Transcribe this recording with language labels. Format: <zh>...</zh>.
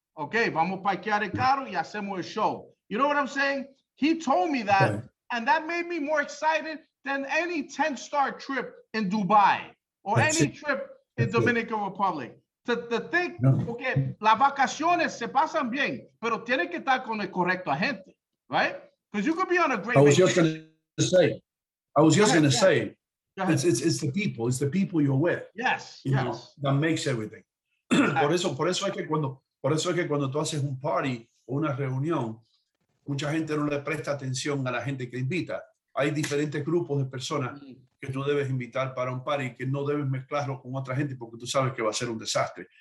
<es>Okay, vamos a parquear el carro y hacemos el show.</es> <en>You know what I'm saying? He told me that, and that made me more excited than any 10-star trip in Dubai or any trip in Dominican Republic.</en> <es>Porque las vacaciones se pasan bien, pero tiene que estar con el correcto agente, right?</es> <en>Because you could be on a great I was just going to say, it's the people, you're with. Yes, you know, that makes everything.</en> <es>por eso es que cuando tú haces un party o una reunión, mucha gente no le presta atención a la gente que invita. Hay diferentes grupos de personas que tú debes invitar para un party, que no debes mezclarlo con otra gente porque tú sabes que va a ser un desastre.</es>